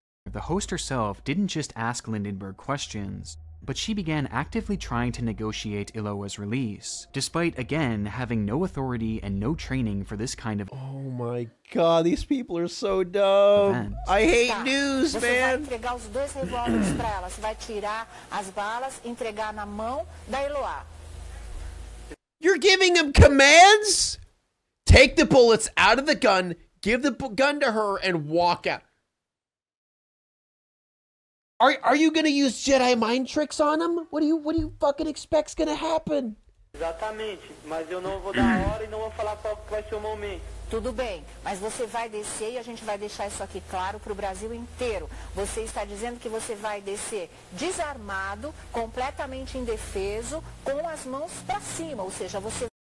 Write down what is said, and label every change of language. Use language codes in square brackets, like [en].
[en] The host herself didn't just ask Lindenberg questions, but she began actively trying to negotiate Iloa's release, despite, again, having no authority and no training for this kind of... Oh my god, these people are so dumb. Event. I hate news, [pt] você, [en] man. [pt] Você vai entregar os dois revólveres pra ela. Você vai tirar as balas, entregar na mão da Iloa. [en] You're giving them commands? Take the bullets out of the gun, give the gun to her, and walk out. Are you gonna use Jedi mind tricks on him? What do you fucking expect's gonna happen? [pt] Exatamente, mas eu não vou dar a hora e não vou falar qual que vai ser o momento. Tudo bem, mas você vai descer e a gente vai deixar isso aqui claro para o Brasil inteiro. Você está dizendo que você vai descer desarmado, completamente indefeso, com as mãos para cima, ou seja, você...